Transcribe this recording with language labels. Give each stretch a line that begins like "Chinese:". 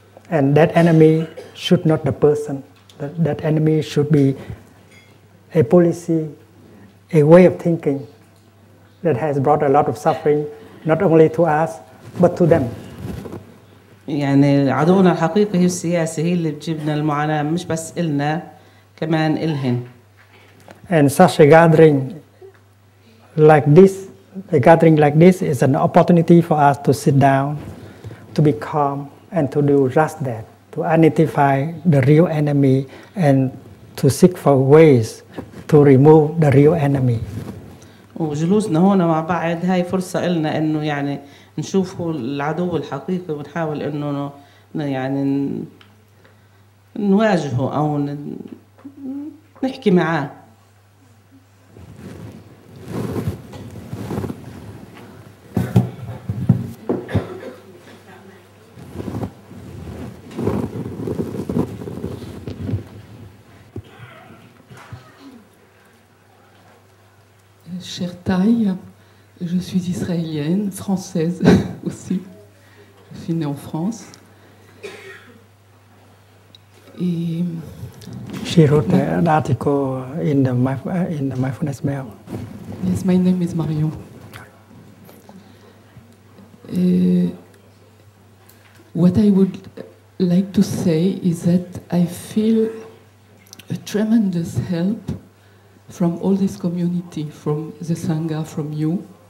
English: And that enemy should not the person. That enemy should be a policy, a way of thinking that has brought a lot of suffering, not only to us, but to them.
Arabic: يعني عدونا الحقيقي هي السياسة هي اللي بتجيبنا المعاناة مش بس إلنا كمان إلهن.
English: And such a gathering like this, a gathering like this is an opportunity for us to sit down, to be calm, and to do just that, to identify the real enemy and to seek for ways to remove the real enemy.
Arabic: وجلوسنا هون مع بعض هاي فرصة إلنا إنه يعني نشوف العدو الحقيقي ونحاول إنه يعني نواجهه أو نحكي معاه.
French: Cher Thaï, je suis israélienne, française aussi. Je suis née en France.
English: Et she wrote an article in the mindfulness mail. Yes, my name is Marion. What I would like to say is that I feel a tremendous help from all this community, from the Sangha, from you.